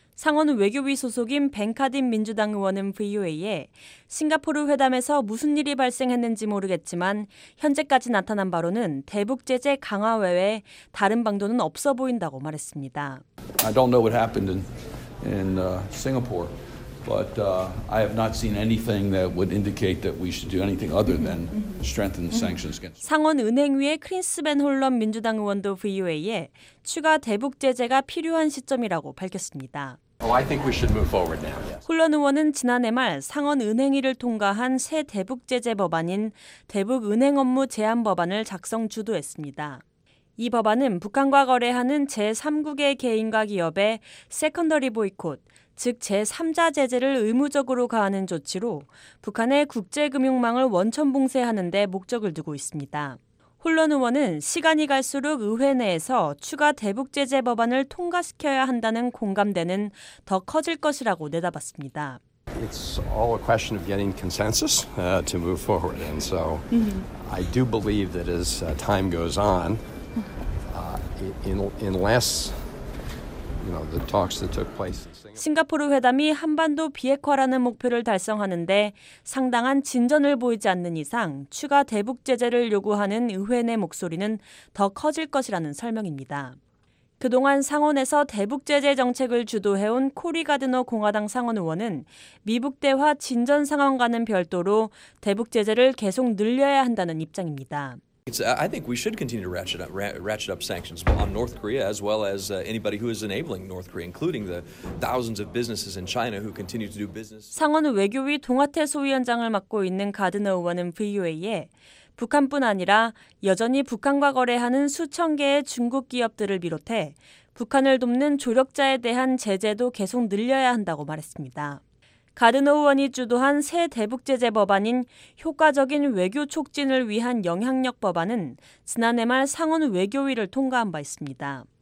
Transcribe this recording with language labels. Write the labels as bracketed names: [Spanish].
[Korean] 상원 외교위 소속인 벤카딘 민주당 의원은 VOA에 싱가포르 회담에서 무슨 일이 발생했는지 모르겠지만 현재까지 나타난 바로는 대북 제재 강화 외에 다른 방도는 없어 보인다고 말했습니다. [English] I don't know what happened in Singapore. But I have not seen anything that would indicate that we should do anything other than strengthen the sanctions against. [Korean] 상원 은행위의 크리스 벤 홀런 민주당 의원도 VOA에 추가 대북 제재가 필요한 시점이라고 밝혔습니다. [English] Oh, I think we should move forward now. [Korean] 홀런 의원은 지난해 말 상원 은행위를 통과한 새 대북 제재 법안인 대북 은행 업무 제한 법안을 작성 주도했습니다. 이 법안은 북한과 거래하는 제3국의 개인과 기업에 세컨더리 보이콧, 즉 제3자 제재를 의무적으로 가하는 조치로 북한의 국제금융망을 원천봉쇄하는 데 목적을 두고 있습니다. 홀런 의원은 시간이 갈수록 의회 내에서 추가 대북 제재 법안을 통과시켜야 한다는 공감대는 더 커질 것이라고 내다봤습니다. [English] It's all a question of getting consensus to move forward. And so I do believe that as time goes on, unless you know the talks that took place [Korean] 싱가포르 회담이 한반도 비핵화라는 목표를 달성하는데 상당한 진전을 보이지 않는 이상 추가 대북 제재를 요구하는 의회 내 목소리는 더 커질 것이라는 설명입니다. 그동안 상원에서 대북 제재 정책을 주도해온 코리 가드너 공화당 상원 의원은 미북 대화 진전 상황과는 별도로 대북 제재를 계속 늘려야 한다는 입장입니다. [English] I think we should continue to ratchet up sanctions on North Korea as well as anybody who is enabling North Korea, including the thousands of businesses in China who continue to do business. [Korean] 상원 외교위 동아태 소위원장을 맡고 있는 가드너 의원은 VOA에 북한뿐 아니라 여전히 북한과 거래하는 수천 개의 중국 기업들을 비롯해 북한을 돕는 조력자에 대한 제재도 계속 늘려야 한다고 말했습니다. 가드너 의원이 주도한 새 대북 제재 법안인 효과적인 외교 촉진을 위한 영향력 법안은 지난해 말 상원 외교위를 통과한 바 있습니다.